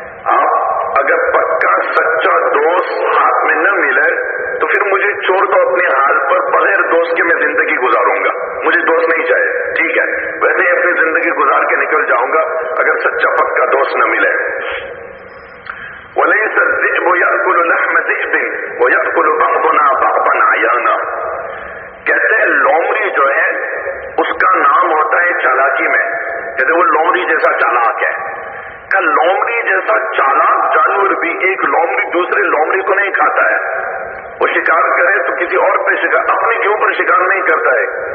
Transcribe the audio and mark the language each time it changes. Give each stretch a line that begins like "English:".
Urdu: آپ اگر پکا سچا دوست ہاتھ میں نہ ملے تو پھر مجھے چھوڑ دو اپنے حال پر, بغیر دوست کے میں زندگی گزاروں گا, مجھے دوست نہیں چاہیے. ٹھیک ہے, ویسے ہی اپنی زندگی گزار کے نکل جاؤں گا اگر سچا پکا دوست نہ ملے.
Arabic: وليس الذئب ياكل لحم ذئب وياكل بعضنا بعضا عيانا.
Urdu: کہتے ہیں لومڑی جو ہے اس کا نام ہوتا ہے چالاکی میں, کہتے وہ لومڑی جیسا چالاک ہے. کہ لومڑی جیسا چالاک جانور بھی ایک لومڑی دوسرے لومڑی کو نہیں کھاتا ہے, وہ شکار کرے تو کسی اور پہ شکار, اپنے کے اوپر شکار نہیں کرتا ہے.